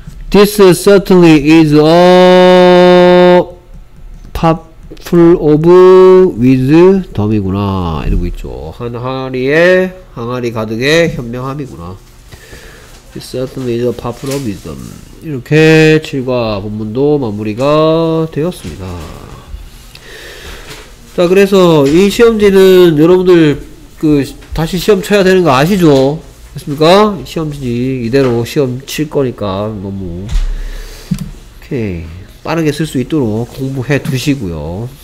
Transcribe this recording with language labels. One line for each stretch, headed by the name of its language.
English: This certainly is a pot full of with dummy구나
Korean: 이러고 있죠. 한 항아리에 항아리 가득의 현명함이구나.
English: This certainly is a pot full of wisdom.
Korean: 이렇게 7과 본문도 마무리가 되었습니다. 자 그래서 이 시험지는 여러분들 그 다시 시험 쳐야 되는 거 아시죠? 됐습니까? 시험지 이대로 시험 칠 거니까 너무 오케이 빠르게 쓸 수 있도록 공부해 두시고요.